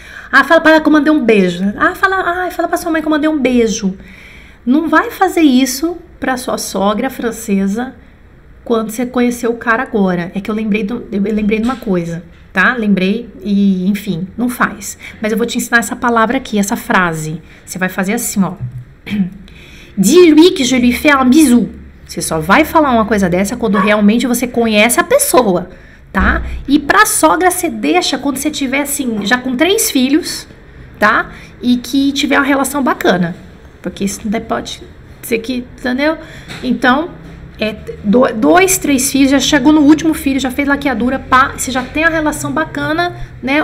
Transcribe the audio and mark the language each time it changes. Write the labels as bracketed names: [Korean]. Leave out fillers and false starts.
[Portuguese] Ah, fala para ela que eu mandei um beijo. Ah, fala para sua mãe que eu mandei um beijo. Não vai fazer isso para sua sogra francesa quando você conheceu o cara agora. É que eu lembrei de uma coisa, tá? Lembrei e, enfim, não faz. Mas eu vou te ensinar essa palavra aqui, essa frase. Você vai fazer assim, ó. [French] Dis-lui que je lui fais un bisou. [Portuguese] Você só vai falar uma coisa dessa quando realmente você conhece a pessoa. Tá? E pra sogra você deixa quando você tiver assim, já com três filhos, tá? E que tiver uma relação bacana. Porque isso não pode ser que, entendeu? Então, dois, três filhos, já chegou no último filho, já fez laqueadura, pá, você já tem a relação bacana, né?